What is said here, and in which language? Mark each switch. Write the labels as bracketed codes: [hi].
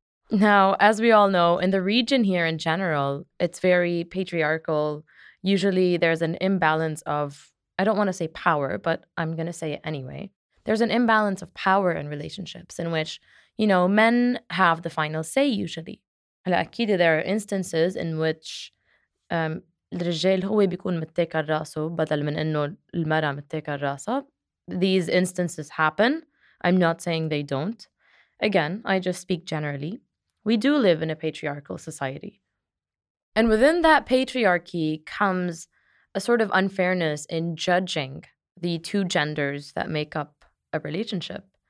[en] Now, as we all know, in the region here in general, it's very patriarchal. Usually there's an imbalance of, I don't want to say power, but I'm going to say it anyway. There's an imbalance of power in relationships in which, you know, men have the final say usually. [ar] أكيد [en] there are instances in which [ar] الرجال هو بيكون متاكل راسه بدل من انه المراه متاكل راسها. [en] These instances happen. I'm not saying they don't. Again, I just speak generally. We do live in a patriarchal society. And within that patriarchy comes a sort of unfairness in judging the two genders that make up a relationship.